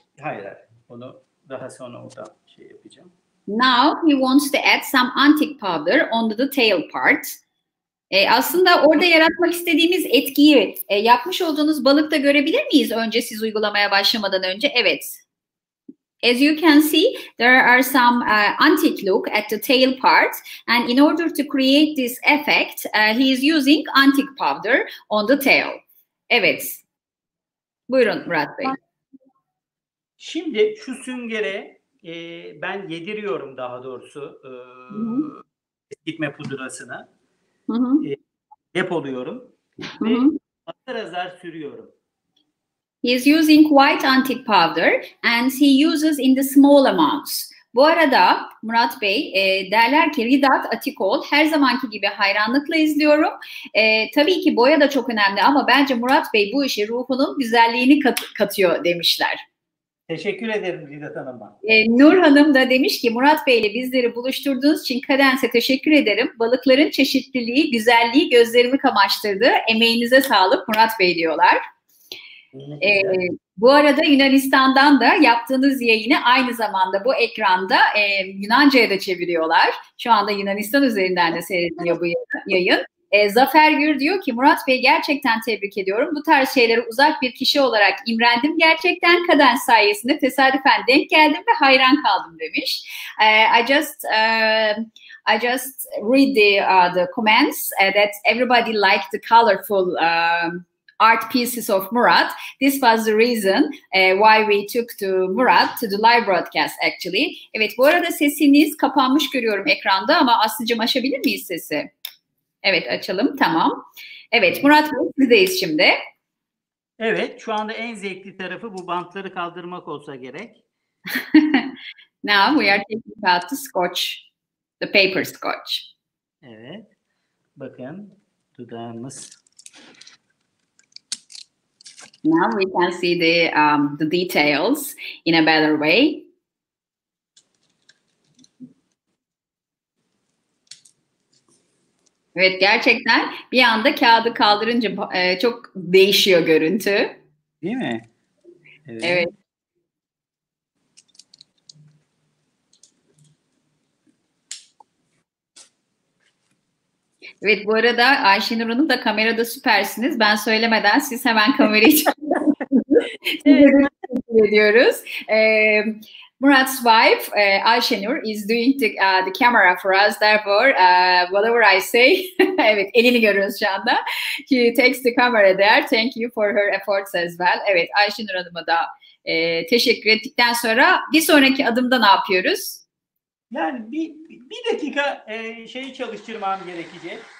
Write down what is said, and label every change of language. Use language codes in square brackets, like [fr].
[tr] Hayır, onu daha sonra orada şey yapacağım. [en] Now he wants to add some antique powder onto the tail part. [tr] Aslında orada yaratmak istediğimiz etkiyi yapmış olduğunuz balıkta görebilir miyiz önce siz uygulamaya başlamadan önce? Evet. [en] As you can see, there are some antique look at the tail part. And in order to create this effect, he is using antique powder on the tail. [tr] Evet. Buyurun Murat Bey. Şimdi şu süngere ben yediriyorum daha doğrusu gitme pudrasına. Depoluyorum. Ve azar azar sürüyorum. [en] He is using white antique powder and he uses in the small amounts. [tr] Bu arada Murat Bey, derler ki Ridat Atikol, her zamanki gibi hayranlıkla izliyorum. Tabii ki boya da çok önemli ama bence Murat Bey bu işe ruhunun güzelliğini katıyor demişler. Teşekkür ederim Ridat Hanım'a. Nur Hanım da demiş ki Murat Bey ile bizleri buluşturduğunuz için Kadense teşekkür ederim. Balıkların çeşitliliği, güzelliği gözlerimi kamaştırdı. Emeğinize sağlık Murat Bey diyorlar. Bu arada Yunanistan'dan da yaptığınız yayını aynı zamanda bu ekranda Yunanca'ya da çeviriyorlar. Şu anda Yunanistan üzerinden de seyrediliyor bu yayın. Zafer Gür diyor ki Murat Bey gerçekten tebrik ediyorum. Bu tarz şeylere uzak bir kişi olarak imrendim. Gerçekten kaden sayesinde tesadüfen denk geldim ve hayran kaldım demiş. [en] I just read the comments that everybody liked the colorful art pieces of Murat. This was the reason why we took to Murat to the live broadcast actually. [tr] Evet, bu arada sesiniz kapanmış görüyorum ekranda ama Aslı'cığım açabilir miyiz sesi? Evet, açalım. Tamam. Evet, Murat Bey, sizdeyiz şimdi. Evet, şu anda en zevkli tarafı bu bantları kaldırmak olsa gerek. [en] Now we are taking out the scotch, the paper scotch. [tr] Evet, bakın dudağımız. [en] Now we can see the details in a better way. [tr] Evet, gerçekten bir anda kağıdı kaldırınca çok değişiyor görüntü. Değil mi? Evet. Evet, bu arada Ayşenur Hanım da kamerada süpersiniz. Ben söylemeden siz hemen kamerayı çektiniz. Evet. Ediyoruz. [en] Murat's wife, Ayşenur, is doing the camera for us. Therefore, whatever I say, [tr] evet, elini görüyoruz şu anda. [en] She takes the camera there. Thank you for her efforts as well. [tr] Evet, Ayşenur Hanım'a da teşekkür ettikten sonra bir sonraki adımda ne yapıyoruz? Yani bir dakika şeyi çalıştırmam gerekecek.